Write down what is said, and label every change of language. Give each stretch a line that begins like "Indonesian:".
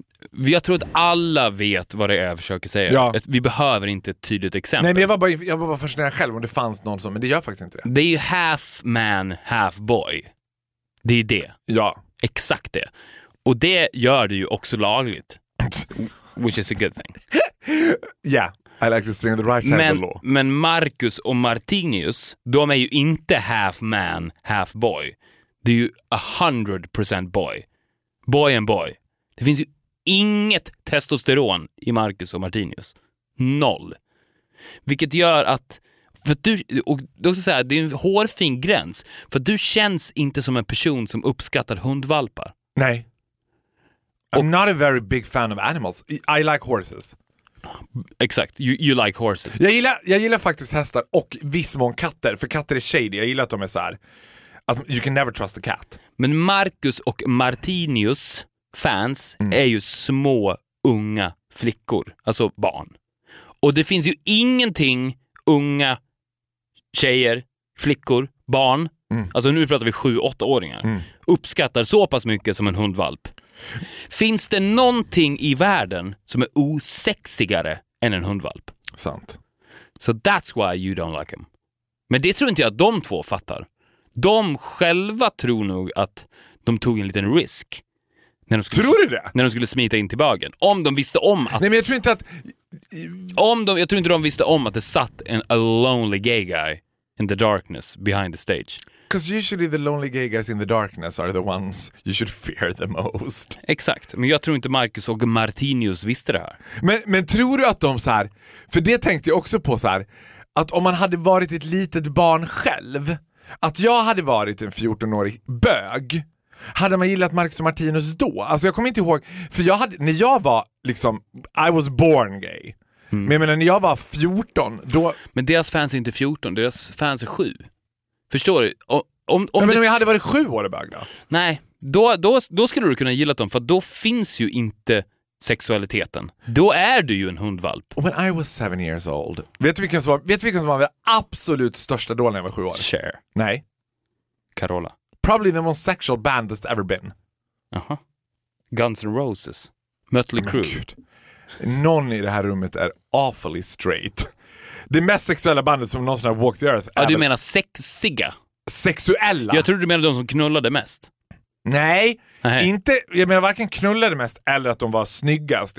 Swedish: Jag tror att alla vet vad det är jag försöker säga. Ja. Vi behöver inte ett tydligt exempel. Nej, men jag var bara fascinerad själv om det fanns någon som... Men det gör faktiskt inte det. Det är ju
English: half man, half boy.
Swedish: Det är det. Ja. Exakt det. Och det gör det ju också lagligt.
English: Which is a good thing. Yeah, I like to string the right side of the law.
Swedish: Men Marcus och Martinius, de är ju inte
English: half man, half boy.
Swedish: Det är ju 100% boy.
English: Boy and boy.
Swedish: Det finns ju inget testosteron i Marcus och Martinius. Noll. Vilket gör att... För att du, och då ska jag säga, det är en hårfin gräns. För du känns inte som en person som uppskattar hundvalpar. Nej.
English: I'm not a very big fan of animals. I like horses. Exakt, you like horses.
Swedish: Jag gillar faktiskt hästar och viss mån katter. För katter är shady, jag gillar att de är så här.
English: Att you can never trust a cat.
Swedish: Men Marcus och Martinius fans är ju små, unga flickor. Alltså barn. Och det finns ju ingenting unga tjejer, flickor, barn, alltså nu pratar vi 7-8-åringar, uppskattar så pass mycket som en hundvalp. Finns det någonting i världen som är osexigare än en hundvalp? Sant.
English: So that's why you don't like him.
Swedish: Men det tror inte jag att de två fattar. De själva tror nog att de tog en liten risk. Tror du det? När de skulle smita in till bagen. Om de visste om att... Nej, men jag tror inte att... Jag tror inte de visste om att det satt
English: a lonely gay guy in the darkness behind the stage. Because usually the lonely gay guys in the darkness are the ones you should fear the most.
Swedish: Exakt, men jag tror inte Marcus och Martinius visste det här. Men tror du att de så här... För det tänkte jag också på så här... Att om man hade varit ett litet barn själv... Att jag hade varit en 14-årig bög... Hade man gillat Marcus och Martinus då? Alltså jag kommer inte ihåg, för jag hade, när jag var liksom,
English: I was born gay.
Swedish: Men jag menar, när jag var 14 då... Men deras fans är inte 14, deras fans är 7. Förstår du? Men om jag hade varit 7 år i bög då? Nej, då skulle du kunna gilla dem. För då finns ju inte sexualiteten. Då är du ju en hundvalp.
English: When I was 7 years old,
Swedish: vet du vilken som var den absolut största då när jag var 7 år? Cher. Nej. Carola.
English: Probably the most sexual band that's ever been. Uh-huh. Guns N' Roses. Mötley Crüe.
Swedish: Någon i det här rummet är
English: awfully straight.
Swedish: Det mest sexuella bandet som någonsin har
English: walked the earth.
Swedish: Ja, du menar sexiga? sexuella. Jag tror du menar de som knullade mest. Nej, inte, jag menar varken knullade mest eller att de var snyggast.